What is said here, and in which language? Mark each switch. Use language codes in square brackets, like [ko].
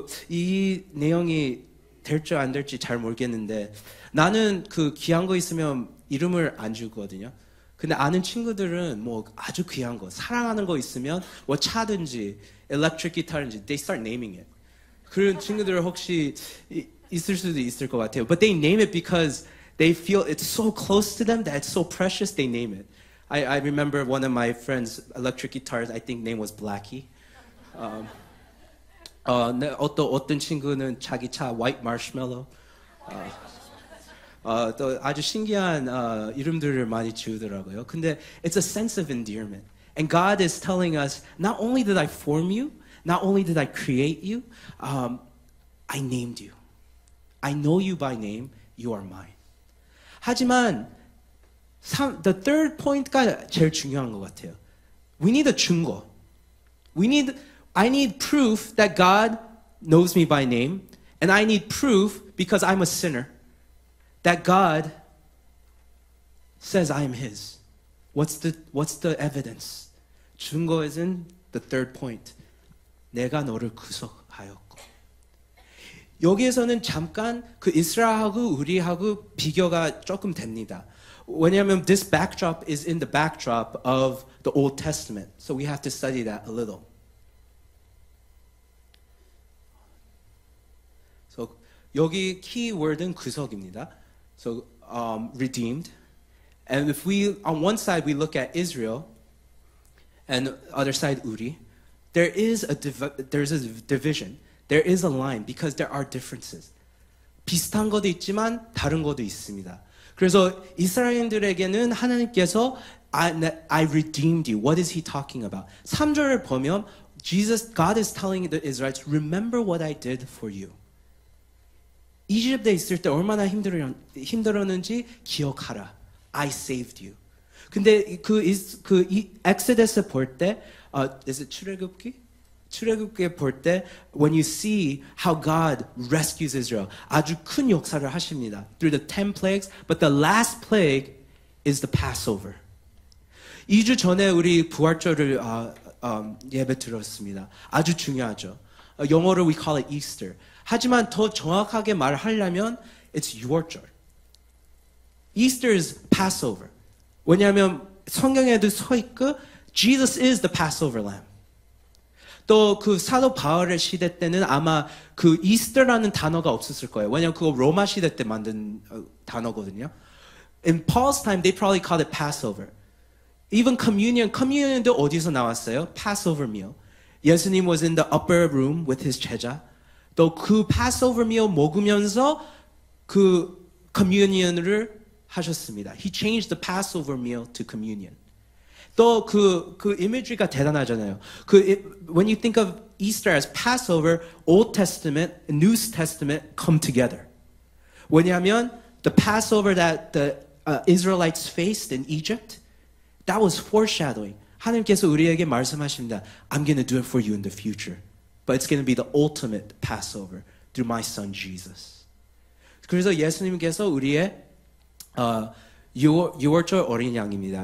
[ko] 이 내용이 될지 안 될지 잘 모르겠는데 나는 그 귀한 거 있으면 이름을 안 주거든요. 근데 아는 친구들은 뭐 아주 귀한 거 사랑하는 거 있으면 뭐 차든지 electric guitar든지 [en] they start naming it. [ko] 그런 친구들 혹시 있을 수도 있을 것 같아요. [en] But they name it because they feel it's so close to them that it's so precious they name it. I remember one of my friends' electric guitars, I think name was Blackie. [ko] 어떤 친구는 자기 차 White Marshmallow. 또 아주 신기한 이름들을 많이 지우더라고요. 근데 [en] it's a sense of endearment. And God is telling us, not only did I form you, not only did I create you, I named you. I know you by name, you are mine. [ko] 하지만 [en] the third point가 [ko] 제일 중요한 것 같아요. [en] We need a 증거. I need proof that God knows me by name, and I need proof, because I'm a sinner, that God says I am His. What's the evidence? 증거 is in the third point. [ko] 내가 너를 구속하였고. 여기에서는 잠깐 그 이스라엘하고 우리하고 비교가 조금 됩니다. 왜냐하면 [en] this backdrop is in the backdrop of the Old Testament, so we have to study that a little. [ko] 여기 키워드는 구속입니다. [en] So, redeemed. And if we, on one side, we look at Israel, and other side, 우리. There is a there's a division. There is a line because there are differences. [ko] 비슷한 것도 있지만 다른 것도 있습니다. 그래서 이스라엘인들에게는 하나님께서 [en] I redeemed you. What is he talking about? [ko] 3절을 보면 [en] Jesus, God is telling the Israelites, remember what I did for you. [ko] 이집트에 있을 때 얼마나 힘들었는지 기억하라. [en] I saved you. [ko] 근데 그 엑소더스 볼 때, [en] is it [ko] 출애굽기? 출애굽기 볼 때, [en] when you see how God rescues Israel, [ko] 아주 큰 역사를 하십니다. [en] Through the 10 plagues, but the last plague is the Passover. [ko] 2주 전에 우리 부활절을 예배 들었습니다. 아주 중요하죠. 영어로 [en] we call it Easter. [ko] 하지만 더 정확하게 말하려면 [en] it's Yuletide. Easter is Passover. [ko] 왜냐하면 성경에도 써 있고 [en] Jesus is the Passover Lamb. [ko] 또 그 사도 바울의 시대 때는 아마 그 Easter라는 단어가 없었을 거예요. 왜냐하면 그거 로마 시대 때 만든 단어거든요. [en] In Paul's time, they probably called it Passover. Even communion, communion도 [ko] 어디서 나왔어요? [en] Passover meal. 예수님 was in the upper room with his 제자. [ko] 또 그 Passover meal 먹으면서 그 communion을 하셨습니다. [en] He changed the Passover meal to communion. 또 그 imagery가 [ko] 대단하잖아요. [en] When you think of Easter as Passover, Old Testament, New Testament come together. [ko] 왜냐하면 [en] the Passover that the Israelites faced in Egypt, that was foreshadowing. [ko] 하나님께서 우리에게 말씀하십니다. [en] I'm going to do it for you in the future. But it's going to be the ultimate Passover through my son Jesus. [ko] 그래서 예수님께서 우리의 유월절 어린 양입니다.